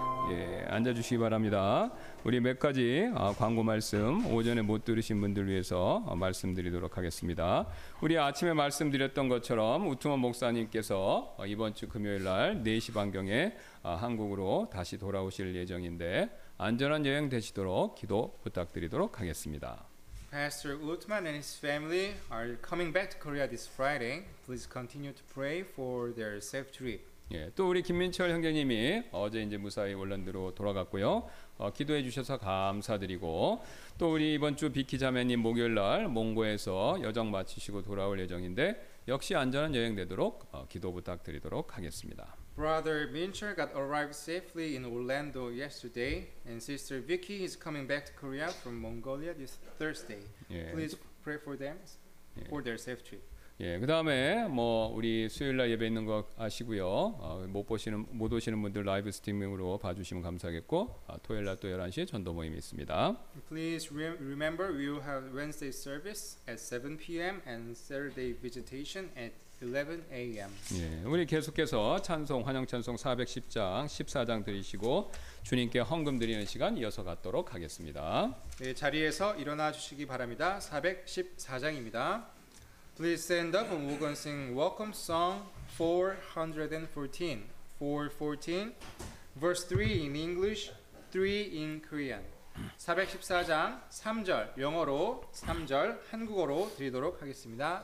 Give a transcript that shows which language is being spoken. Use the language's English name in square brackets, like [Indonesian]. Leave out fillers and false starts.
[Korean] 예, 앉아주시기 바랍니다. 우리 몇 가지 광고 말씀 오전에 못 들으신 분들 위해서 말씀드리도록 하겠습니다. 우리 아침에 말씀드렸던 것처럼 우트먼 목사님께서 이번 주 금요일 날 4시 반경에 한국으로 다시 돌아오실 예정인데 안전한 여행 되시도록 기도 부탁드리도록 하겠습니다. [English] Pastor Uttman and his family are coming back to Korea this Friday. Please continue to pray for their safe trip. [Korean] 예, 또 우리 김민철 형제님이 어제 이제 무사히 월런드로 돌아갔고요. 기도해 주셔서 감사드리고 또 우리 이번 주 비키 자매님 목요일 날 몽고에서 여정 마치시고 돌아올 예정인데 역시 안전한 여행 되도록 기도 부탁드리도록 하겠습니다. [English] Brother Minchul got arrived safely in Orlando yesterday and Sister Vicky is coming back to Korea from Mongolia this Thursday. Please pray for them for their safe trip. [Korean] 예, 그 다음에 뭐 우리 수요일 날 예배 있는 거 아시고요. 못 오시는 분들 라이브 스트리밍으로 봐주시면 감사하겠고 토요일 날 또 11시에 전도 모임이 있습니다. [English] Please remember we will have Wednesday service at 7 p.m. and Saturday visitation at 11 a.m. [Korean] 예, 우리 계속해서 찬송 환영 찬송 410장 14장 드리시고 주님께 헌금 드리는 시간 이어서 갖도록 하겠습니다. 네, 자리에서 일어나 주시기 바랍니다. 414장입니다. [English] Please stand up and we're going to sing welcome song 414. 414, verse 3 in English, 3 in Korean. [Korean] 414장 3절 영어로, 3절 한국어로 드리도록 하겠습니다.